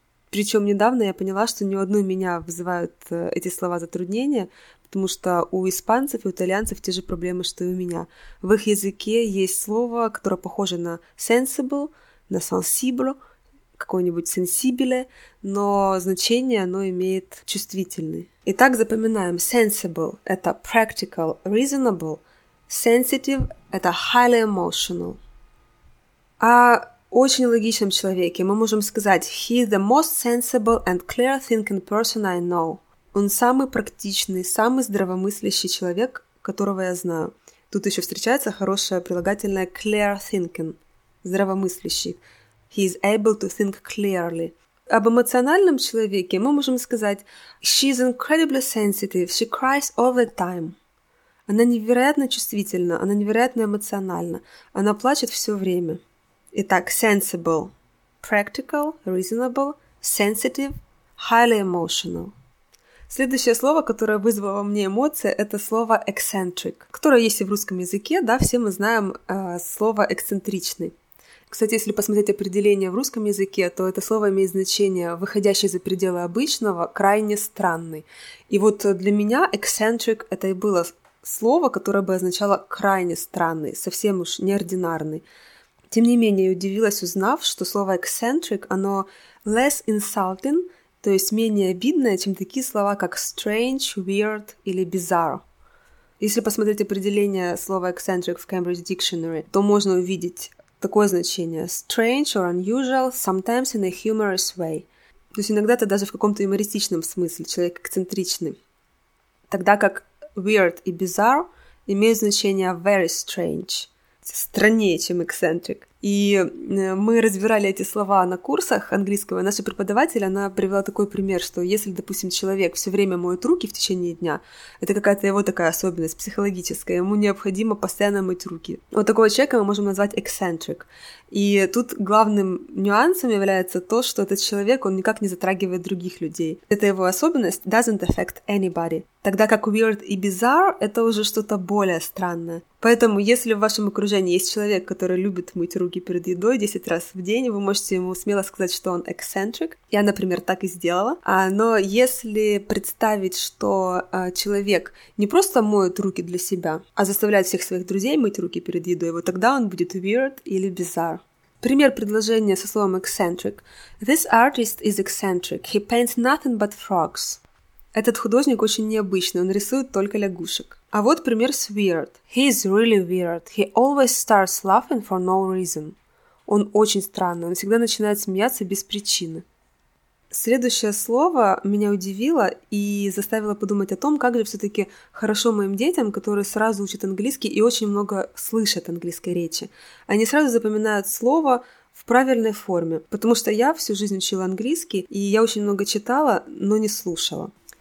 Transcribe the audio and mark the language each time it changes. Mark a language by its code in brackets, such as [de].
[ru] Причем недавно я поняла, что ни у одной меня вызывают эти слова затруднения, потому что у испанцев и у итальянцев те же проблемы, что и у меня. В их языке есть слово, которое похоже на sensible, на sensible, какое-нибудь sensibile, но значение оно имеет чувствительный. Итак, запоминаем. Sensible — это practical, reasonable. [en] Sensitive — это highly emotional. [ru] А очень логичном человеке мы можем сказать [en] «He is the most sensible and clear-thinking person I know». [ru] Он самый практичный, самый здравомыслящий человек, которого я знаю. Тут еще встречается хорошее прилагательное «clear-thinking» – здравомыслящий. [en] «He is able to think clearly». [ru] Об эмоциональном человеке мы можем сказать [en] «She is incredibly sensitive, she cries all the time». [ru] Она невероятно чувствительна, она невероятно эмоциональна, она плачет все время. Итак, sensible – practical, reasonable, sensitive, highly emotional. Следующее слово, которое вызвало во мне эмоции, это слово eccentric, которое есть и в русском языке, да, все мы знаем слово эксцентричный. Кстати, если посмотреть определение в русском языке, то это слово имеет значение выходящее за пределы обычного, крайне странный. И вот для меня eccentric – это и было слово, которое бы означало крайне странный, совсем уж неординарный. Тем не менее, я удивилась, узнав, что слово eccentric, оно [en] less insulting, [ru] то есть менее обидное, чем такие слова, как strange, weird или bizarre. Если посмотреть определение слова eccentric в Cambridge Dictionary, то можно увидеть такое значение [en] strange or unusual, sometimes in a humorous way. [ru] То есть иногда это даже в каком-то юмористичном смысле, человек эксцентричный. Тогда как weird и bizarre имеют значение [en] very strange, [ru] страннее, чем eccentric. И мы разбирали эти слова на курсах английского. Наша преподаватель, она привела такой пример, что если, допустим, человек все время моет руки в течение дня, это какая-то его такая особенность психологическая, ему необходимо постоянно мыть руки. Вот такого человека мы можем назвать eccentric. И тут главным нюансом является то, что этот человек, он никак не затрагивает других людей. Это его особенность, [en] doesn't affect anybody. [ru] Тогда как weird и bizarre — это уже что-то более странное. Поэтому, если в вашем окружении есть человек, который любит мыть руки перед едой 10 раз в день, вы можете ему смело сказать, что он eccentric. Я, например, так и сделала. Но если представить, что человек не просто моет руки для себя, а заставляет всех своих друзей мыть руки перед едой, вот тогда он будет weird или bizarre. Пример предложения со словом eccentric. [en] This artist is eccentric. He paints nothing but frogs. [ru] Этот художник очень необычный, он рисует только лягушек. А вот пример с weird. [en] He is really weird. He always starts laughing for no reason. [ru] Он очень странный, он всегда начинает смеяться без причины. Следующее слово меня удивило и заставило подумать о том, как же все-таки хорошо моим детям, которые сразу учат английский и очень много слышат английской речи. Они сразу запоминают слово в правильной форме, потому что я всю жизнь учила английский, и я очень много читала, но не слушала.